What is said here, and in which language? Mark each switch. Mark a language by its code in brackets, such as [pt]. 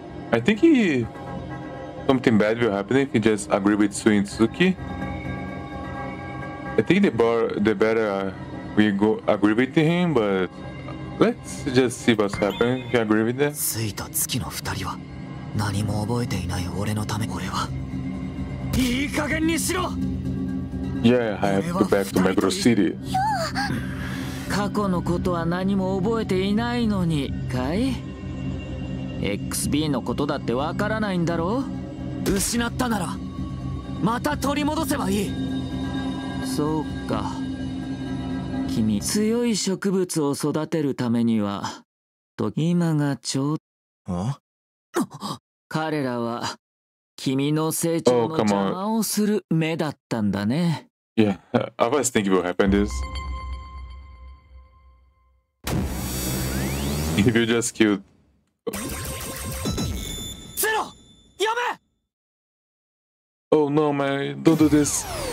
[en] I think he, something bad will happen if he just agree with Sui and Tsuki. I think the better we go agree with him, but. Let's just see what's happening. Can I agree with that? [ja] Sui と月の二人は何も覚えていない俺のため。俺はいい加減にしろ。 [en] Yeah, I have to go back to Meguro City. [ja] 過去のことは何も覚えていないのにかい。 XB のことだってわからないんだろう。失ったならまた取り戻せばいい。そうか、君、強い植物を育てるためにはと今がちょうど。彼らは君の成長の邪魔をする目だったんだね。 [en] いや、I was thinking what happened is if you just killed [ja] ゼロ、やめ。 [en] Oh no man, don't do this.